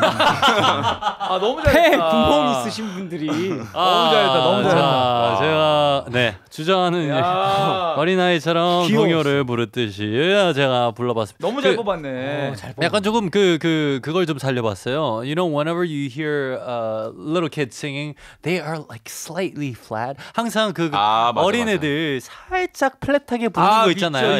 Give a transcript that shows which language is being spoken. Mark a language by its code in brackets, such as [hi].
[ko] 아 너무 잘했다. 폐 구멍 있으신 분들이 아, 너무 잘했다. 너무 잘했다. 자, 제가 네 주저하는 어린아이처럼 동요를 부르듯이 제가 불러봤습니다. 너무 잘 뽑았네. 잘 약간 조금 그걸 좀 살려봤어요. [en] You know, whenever you hear little kids singing, they are like slightly flat. [ko] 항상 그 아, 어린 맞아. 애들 살짝 플랫하게 부르는 거 있잖아요.